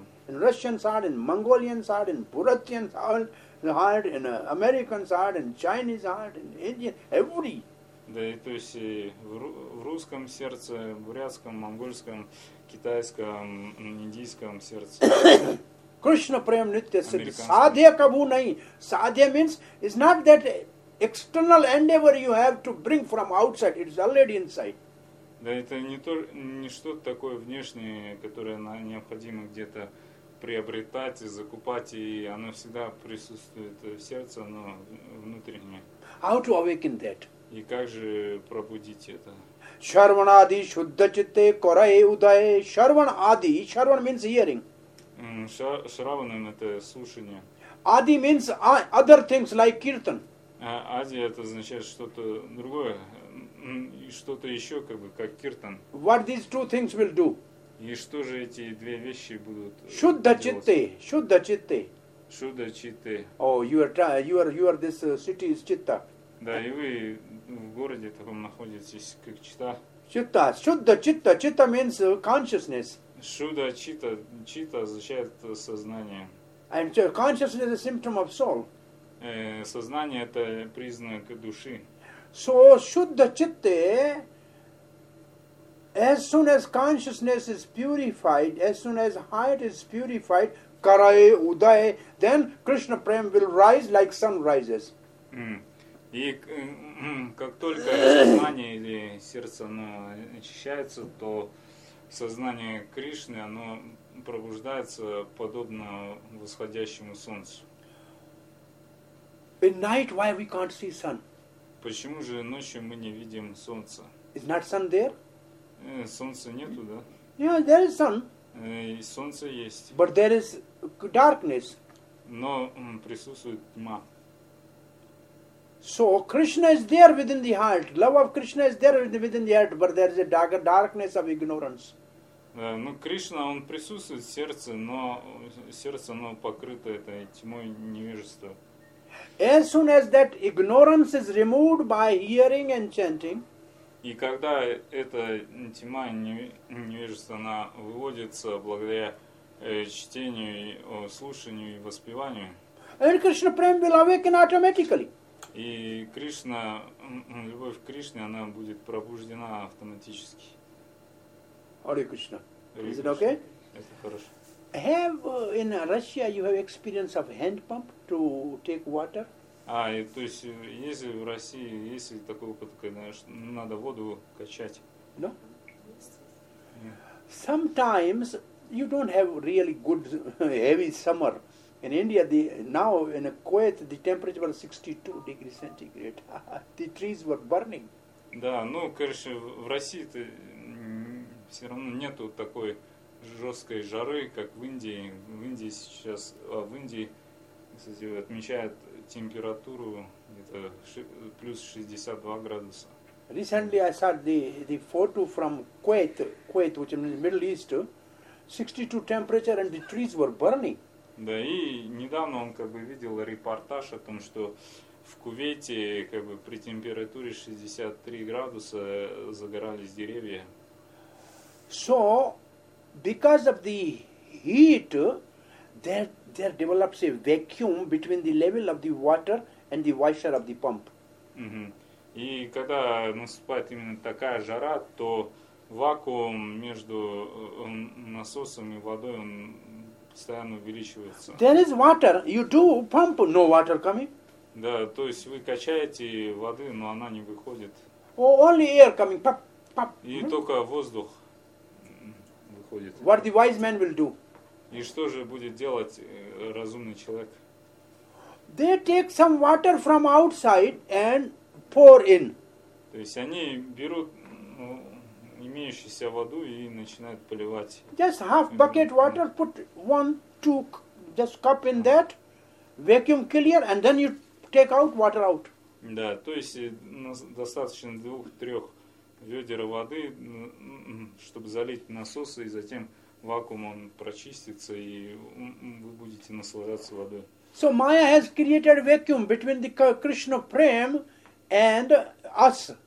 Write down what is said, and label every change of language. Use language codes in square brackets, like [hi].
[en] In Russian's heart, in Mongolian's heart, in Buratian's heart, in American's heart, in Chinese's heart, in Indian, every. [ru] Да, и то есть и в русском сердце, бурятском, монгольском, китайском, индийском сердце. [en] Krishna Prem Nitya said, [bn] Sadhya Kabu Nahi. [en] Sadhya means, it's not that external endeavor you have to bring from outside, it's already inside. [ru] Да, это не что-то такое внешнее, которое необходимо где-то приобретать и закупать, и оно всегда присутствует в сердце, но внутреннее. [en] How to awaken that? [ru] И как же пробудить это? [bn] Шарванади шудда читте корае удае. Шарванади, шарван [en] means hearing. [ru] Шраванам это слушание. [en] Ади means other things like kirtan. [ru] Ади это означает что-то другое, что-то еще как бы как kirtan. [en] What these two things will do? [ru] И что же эти две вещи будут делать? [bn] Шудда читте, шудда читте. Шудда читте. [en] Oh, you are this city is citta. [ru] Да, и вы в городе таком находитесь, как чита. [bn] Чита, шудда чита, чита [en] means consciousness. [ru] Шудда чита, чита означает сознание. [en] And consciousness is a symptom of soul. [ru] Сознание это признак души. [en] So [bn] шудда чита, [en] as soon as consciousness is purified, as soon as heart is purified, [bn] karaye udaye, [en] then Krishna Prem will rise like sun rises. [ru] И как только сознание или сердце оно очищается, то сознание Кришны оно пробуждается подобно восходящему солнцу. [en] In night, why we can't see sun? [ru] Почему же ночью мы не видим солнца? [en] Is not sun there? [ru] Солнца нету, да? [en] Yeah, there is sun. [ru] И солнце есть. [en] But there is darkness. [ru] Но присутствует тьма. [en] So Krishna is there within the heart. Love of Krishna is there within the heart, but there is a darkness of ignorance. [ru] Ну, Кришна, он присутствует в сердце, но сердце, оно покрыто этой тьмой невежества. [en] As soon as that ignorance is removed by hearing and chanting, [ru] и когда эта тьма невежества, она выводится благодаря чтению, слушанию и воспеванию, [en] and Krishna Prem will awaken automatically. [ru] И Кришна, любовь к Кришне, она будет пробуждена автоматически. [en] Hare Krishna. Is it okay? [ru] Это хорошо. [en] Have in Russia you have experience of hand pump to take water? [ru] То есть есть в России есть ли такой опыт, когда надо воду качать? [en] No. Yeah. Sometimes you don't have really good heavy summer. In India, now in Kuwait, the temperature was 62 degrees centigrade. The trees were burning. [ru] Да, ну, конечно, в России-то все равно нету такой жесткой жары, как в Индии. В Индии сейчас, в Индии, кстати, отмечают температуру где-то плюс 62 градуса. [en] Recently, I saw the photo from Kuwait, which is in the Middle East, 62 temperature and the trees were burning. [ru] Да, и недавно он как бы видел репортаж о том, что в Кувейте как бы при температуре 63 градуса загорались деревья. [en] So, because of the heat, there develops a vacuum between the level of the water and the washer of the pump. [ru] Угу. И когда наступает именно такая жара, то вакуум между насосом и водой, он постоянно увеличивается. [en] There is water. You do pump, no water coming. [ru] Да, то есть вы качаете воды, но она не выходит. [en] Oh, only air coming. Pop, pop. [ru] И только воздух выходит. [en] What the wise man will do? [ru] И что же будет делать разумный человек? [en] They take some water from outside and pour in. [ru] То есть они берут имеющуюся воду и начинают поливать. [en] Just half bucket water, put one, two, just cup in that, vacuum clear, and then you take out water out. [ru] Да, то есть достаточно двух-трех ведер воды, чтобы залить насосы и затем вакуум он прочистится и вы будете наслаждаться водой. [en] So Maya has created vacuum between the Krishna Prem and us.